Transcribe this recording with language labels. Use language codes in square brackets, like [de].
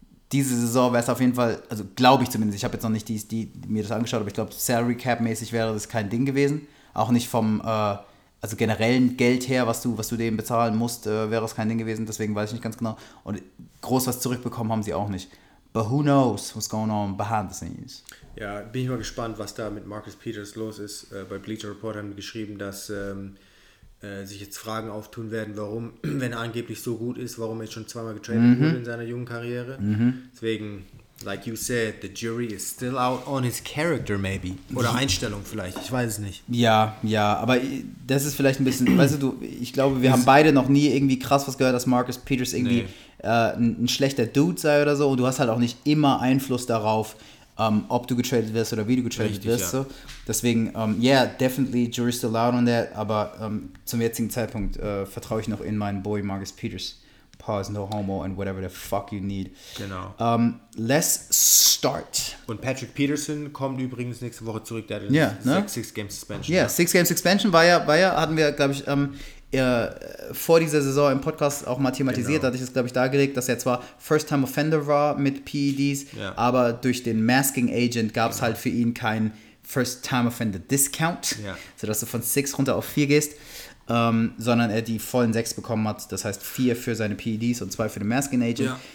[de] Diese Saison wäre es auf jeden Fall, also glaube ich zumindest, ich habe jetzt noch nicht die mir das angeschaut, aber ich glaube, Salary Cap-mäßig wäre das kein Ding gewesen. Auch nicht vom also generellen Geld her, was du dem bezahlen musst, wäre es kein Ding gewesen. Deswegen weiß ich nicht ganz genau. Und groß was zurückbekommen haben sie auch nicht. [en] But who knows what's going on behind the scenes. [de] Ja, bin ich mal gespannt, was da mit Marcus Peters los ist. Bei Bleacher Report haben die geschrieben, dass sich jetzt Fragen auftun werden, warum, wenn er angeblich so gut ist, warum er jetzt schon zweimal getradet wurde in seiner jungen Karriere. Deswegen, [en] like you said, the jury is still out on his character maybe. [de] Oder Einstellung vielleicht, ich weiß es nicht. Ja, aber das ist vielleicht ein bisschen, weißt du, ich glaube, wir haben beide noch nie irgendwie krass was gehört, dass Marcus Peters irgendwie ein schlechter Dude sei oder so. Und du hast halt auch nicht immer Einfluss darauf, ob du getradet wirst oder wie du getradet wirst. So. Deswegen, [en] definitely jury still out on that, [de] aber zum jetzigen Zeitpunkt vertraue ich noch in meinen Boy Marcus Peters. [en] Pause, no homo and whatever the fuck you need. [de] Genau. [en] Let's start. [de] Und Patrick Peterson kommt übrigens nächste Woche zurück, der hat [en] Six-Game Suspension. Yeah, [de] Six-Game Suspension war ja, hatten wir, glaube ich, vor dieser Saison im Podcast auch mal thematisiert, hatte ich das, glaube ich, dargelegt, dass er zwar First-Time-Offender war mit PEDs, aber durch den Masking-Agent gab es halt für ihn keinen First-Time-Offender-Discount, sodass du von 6 runter auf 4 gehst, sondern er die vollen 6 bekommen hat, das heißt 4 für seine PEDs und 2 für den Masking-Agent. Ja.